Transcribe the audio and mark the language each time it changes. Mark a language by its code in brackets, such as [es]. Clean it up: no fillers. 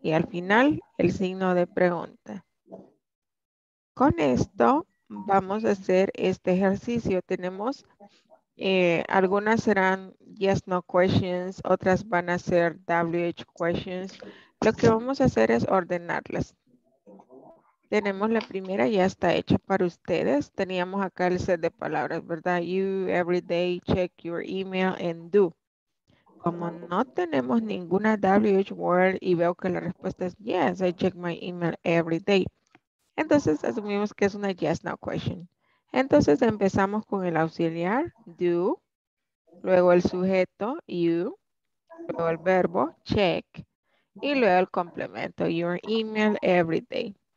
[es] Y al final, el signo de pregunta. Con esto vamos a hacer este ejercicio. Tenemos, algunas serán [en] yes, no questions, [es] otras van a ser WH questions. Lo que vamos a hacer es ordenarlas. Tenemos la primera, ya está hecha para ustedes. Teníamos acá el set de palabras, ¿verdad? [en] You every day check your email and do. [es] Como no tenemos ninguna WH word y veo que la respuesta es [en] yes, I check my email every day. [es] Entonces asumimos que es una [en] yes, no question. [es] Entonces empezamos con el auxiliar, do, luego el sujeto, you, luego el verbo, check, y luego el complemento, [en] your email every day.